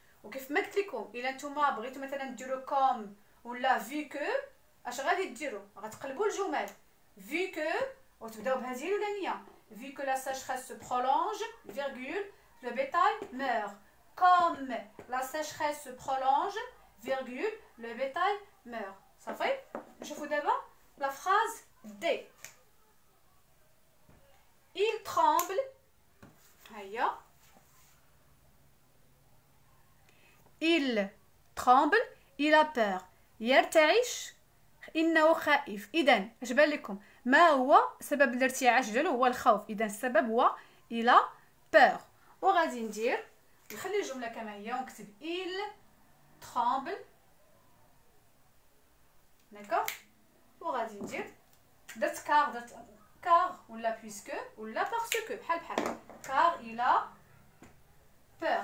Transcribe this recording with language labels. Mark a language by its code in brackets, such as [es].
[ar] وكيف ما قلت لكم الا نتوما بغيتو مثلا ديرو كوم ولا فيكو اش غادي ديروا؟ غتقلبوا الجمل في كو وتبداو بهذه الاولانيه في كو لا سيشريس سو برولونج فيرغول لو بيتاي مور كوم لا سيشريس سو برولونج فيرغول لو بيتاي مور صافي. نشوفوا دابا لا فراز دي [fr] il tremble [ar] هيا [fr] il tremble il a peur [ar] يرتعش إنه خائف. إذن اش بان لكم ما هو سبب الارتعاش ديالو؟ هو الخوف. إذن السبب هو إلى بير. وغادي ندير نخلي الجملة كما هي ونكتب إل ترامبل داكوغ. وغادي ندير درت كار درت كار ولا بويسكو ولا باغسكو بحال بحال كار إلى بير.